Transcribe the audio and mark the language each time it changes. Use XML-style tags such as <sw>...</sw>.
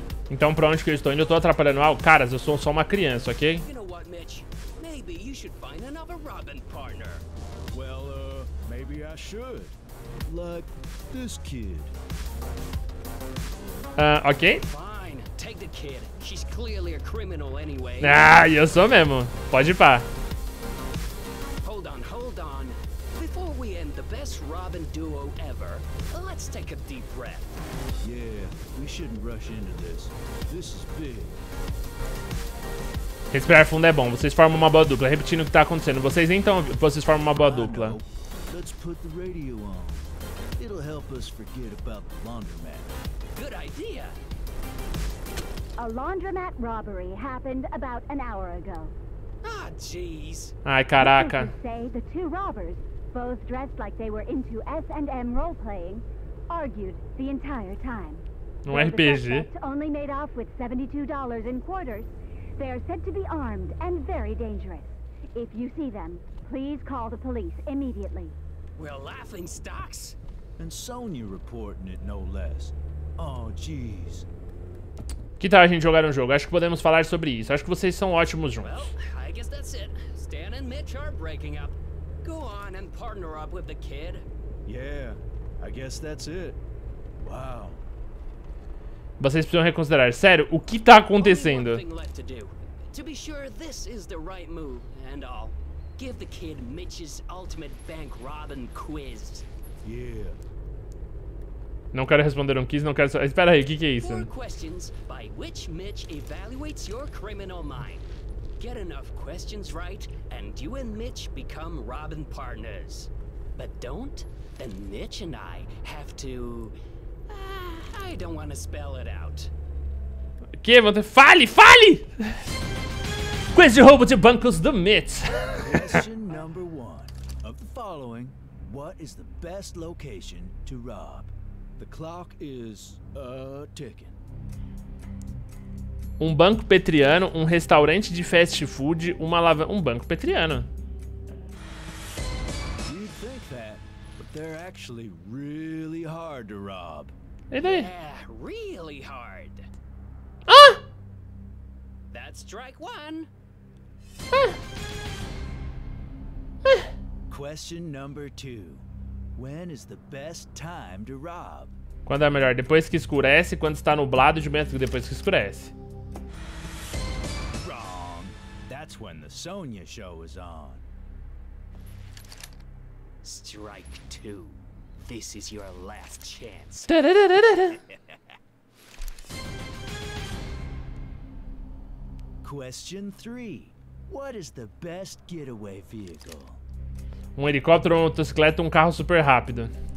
<pt>Então pra onde que eu estou indo? Eu tô atrapalhando algo? Caras, eu sou só uma criança, ok?</pt> <en>You know what, Mitch? Maybe you should find another Robin partner. Well, maybe I should. Like this kid. Ok? Fine, take the kid. She's clearly a criminal anyway.</en> <pt>Ah, eu sou mesmo. Pode ir pá.</pt> <en>Hold on, hold on. Before we end the best Robin duo ever, let's take a deep breath. Yeah, we shouldn't rush into this. This is big.</en> <pt>Respirar fundo é bom. Vocês formam uma boa dupla. Repetindo o que tá acontecendo. Vocês então, vocês formam uma boa dupla.</pt> <en>Let's put the radio on. It'll help us forget about the laundromat. Good idea. A laundromat robbery happened about an hour ago. Ah, jeez.</en> <pt>Ai, caraca.</pt> <en>Say the two robbers, both dressed like they were into S&M role playing, argued the entire time.</en> <pt>Um RPG.</pt> <en>Only made off with $72 in quarters. They are said to be armed and very dangerous. If you see them, please call the police immediately. We're laughing stocks. And Sony reporting it no less. Oh, jeez.</en> <pt>Que tal a gente jogar um jogo? Acho que podemos falar sobre isso. Acho que vocês são ótimos juntos.</pt> <en>Well, I guess that's it. Stan and Mitch are breaking up. Go on and partner up with the kid. Yeah, I guess that's it. Wow.</en> <pt>Vocês precisam reconsiderar. Sério, o que tá acontecendo?</pt> <en>Only one thing left to do. To be sure this is the right move and all. Give the kid Mitch's ultimate bank robbing quiz. Yeah.</en> <pt>Não quero responder um quiz, não quero... Espera aí, o que que é isso?</pt> <en>Four questions by which Mitch evaluates your criminal mind. Get enough questions right, and you and Mitch become Robin partners. But don't, then Mitch and I have to... I don't want to spell it out.</en> <pt>Que? Fale, fale! Quiz de roubo de bancos do Mitch.</pt> <en>Question number one. Of the following, what is the best location to rob? The clock is ticking.</en> <pt>Um banco petriano, um restaurante de fast food, uma lava... Um banco petriano.</pt> <en>You'd think that, but they're actually really hard to rob.</en> <pt>E daí?</pt> <en>Yeah, really hard. Ah! That's strike one. Question number two. When is the best time to rob?</en> <pt>Quando é melhor? Depois que escurece, quando está nublado de manhã, depois que escurece.</pt> <en>Wrong. That's when the Sonya show is on. Strike two. This is your last chance. Question three. What is the best getaway vehicle?</en> <pt>Um helicóptero, uma motocicleta, um carro super rápido.</pt>